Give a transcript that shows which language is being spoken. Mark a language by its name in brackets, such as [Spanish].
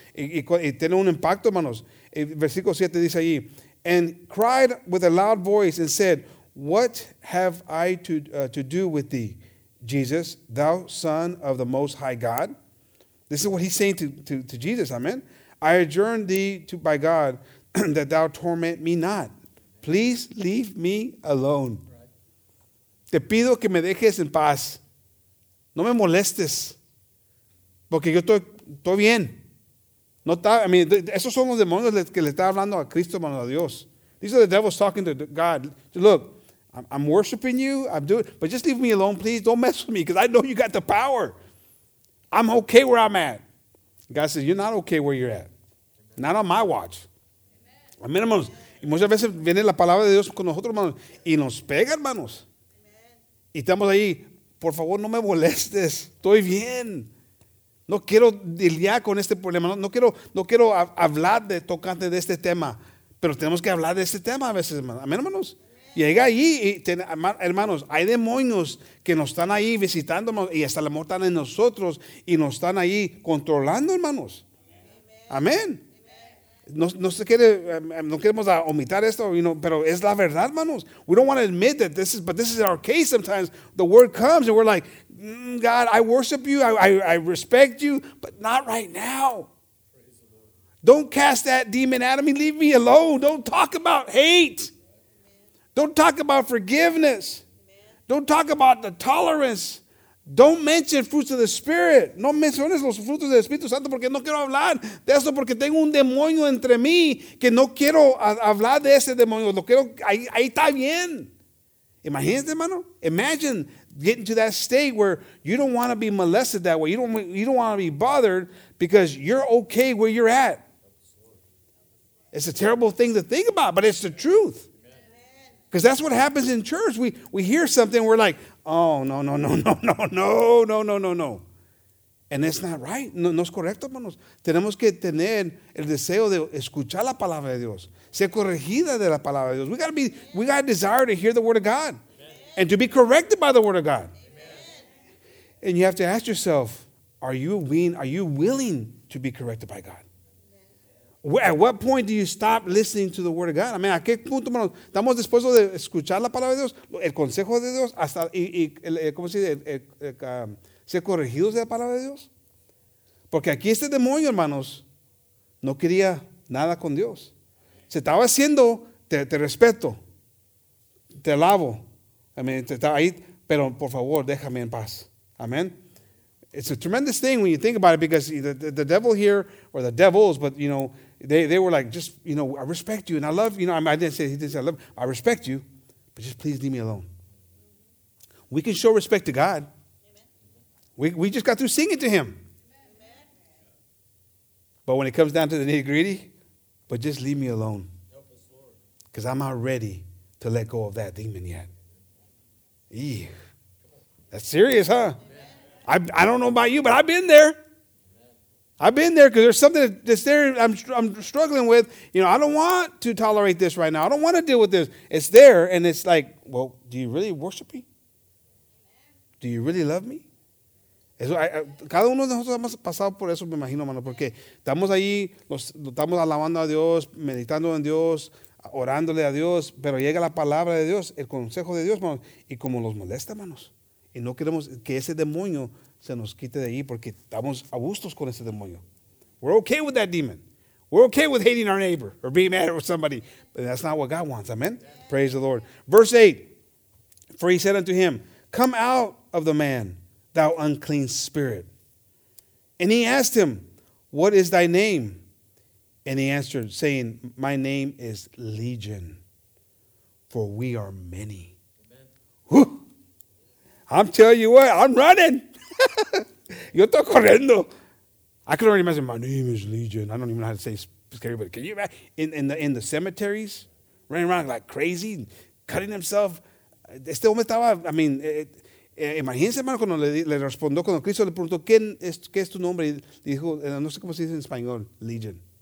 [Spanish] Y tiene un impacto, hermanos. Versículo 7 dice allí, [English] and cried with a loud voice and said, what have I to do with thee, Jesus, thou Son of the Most High God? This is what he's saying to Jesus. Amen. I adjourn thee to by God that thou torment me not. Please leave me alone. [Spanish] Te pido que me dejes en paz. No me molestes. Porque yo estoy bien. No está, [English] I mean, [Spanish] esos son los demonios que le está hablando a Cristo, mano a Dios. [English] These are the devils talking to God. Look, I'm worshiping you, I'm doing, but just leave me alone, please. Don't mess with me, because I know you got the power. I'm okay where I'm at. God says, you're not okay where you're at. Amen. Not on my watch. Amen, hermanos. [Spanish] Y muchas veces viene la palabra de Dios con nosotros, hermanos, y nos pega, hermanos. Amen. Y estamos ahí, por favor, no me molestes. Estoy bien. No quiero lidiar con este problema. No quiero hablar de tocante de este tema. Pero tenemos que hablar de este tema a veces, hermanos. Amen, hermanos. Llega ahí, hermanos, hay demonios que nos están ahí visitando, y hasta la muerte están en nosotros y nos están ahí controlando, hermanos. Amén. no queremos omitar esto, [English] you know, [Spanish] pero es la verdad, manos. [English] We don't want to admit that this is, but this is our case sometimes. The word comes and we're like, God, I worship you, I respect you, but not right now. Don't cast that demon out of me. Leave me alone. Don't talk about hate. Don't talk about forgiveness. Don't talk about the tolerance. Don't mention fruits of the Spirit. [Spanish] No menciones los frutos del Espíritu Santo porque no quiero hablar de eso porque tengo un demonio entre mí que no quiero hablar de ese demonio. Lo quiero, ahí está bien. Imagínate, hermano. [English] Imagine getting to that state where you don't want to be molested that way. You don't want to be bothered because you're okay where you're at. It's a terrible thing to think about, but it's the truth. Because that's what happens in church. We hear something, we're like, oh, no, no, no, no, no, no, no, no, no, no. And it's not right. [Spanish] No es correcto, hermanos. Tenemos que tener el deseo de escuchar la palabra de Dios. Ser corregida de la palabra de Dios. [English] We got a desire to hear the word of God. Amen. And to be corrected by the word of God. Amen. And you have to ask yourself, are you willing to be corrected by God? At what point do you stop listening to the word of God? I mean, [Spanish] ¿a qué punto estamos dispuestos de escuchar la palabra de Dios, el consejo de Dios, hasta ser corregidos de la palabra de Dios? Porque aquí este demonio, hermanos, no quería nada con Dios. Se estaba haciendo, te respeto, te alabo, [English] I mean, [Spanish] te estaba ahí, pero por favor, déjame en paz. Amén. [English] It's a tremendous thing when you think about it because the devil here, or the devils, but, you know, they were like, just, you know, I respect you and I love, you know, he didn't say I love, I respect you, but just please leave me alone. We can show respect to God. Amen. We just got through singing to him. Amen. But when it comes down to the nitty gritty, but just leave me alone. Because I'm not ready to let go of that demon yet. Eww. That's serious, huh? I don't know about you, but I've been there. I've been there because there's something that's there I'm struggling with. You know, I don't want to tolerate this right now. I don't want to deal with this. It's there, and it's like, well, do you really worship me? Do you really love me? [Spanish] Cada uno de nosotros hemos pasado por eso, me imagino, hermano, porque estamos ahí, estamos alabando a Dios, meditando en Dios, orándole a Dios, pero llega la palabra de Dios, el consejo de Dios, hermano, y como los molesta, hermanos. Y no queremos que ese demonio se nos quite de ahí porque estamos a gustos con ese demonio. [English] We're okay with that demon. We're okay with hating our neighbor or being mad at somebody. But that's not what God wants. Amen? Yeah. Praise the Lord. Verse 8. For he said unto him, come out of the man, thou unclean spirit. And he asked him, what is thy name? And he answered, saying, my name is Legion, for we are many. Amen. I'm telling you what, I'm running. [Spanish] Yo estoy corriendo. [English] I can already imagine, my name is Legion. I don't even know how to say scary, but can you imagine? In the cemeteries, running around like crazy, cutting himself. [Spanish] Este hombre estaba, [English] I mean, [Spanish] imagínense, hermano, cuando le respondió, cuando Cristo le preguntó, ¿qué es tu nombre? Dijo, no sé cómo se dice en español, Legion.